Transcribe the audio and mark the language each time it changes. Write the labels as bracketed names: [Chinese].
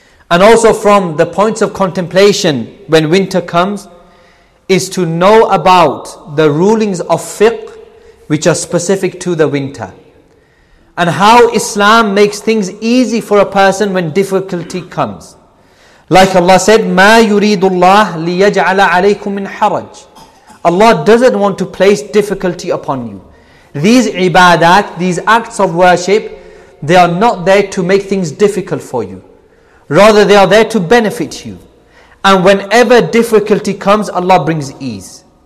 [English] And also from the points of contemplation when winter comes, is to know about the rulings of fiqh which are specific to the winter. And how Islam makes things easy for a person when difficulty comes. Like Allah said, [Arabic] مَا يُرِيدُ اللَّهُ لِيَجْعَلَ عَلَيْكُم مِّنْ حَرَجٍ. [English] Allah doesn't want to place difficulty upon you. These ibadat, these acts of worship, they are not there to make things difficult for you. Rather, they are there to benefit you. And whenever difficulty comes, Allah brings ease.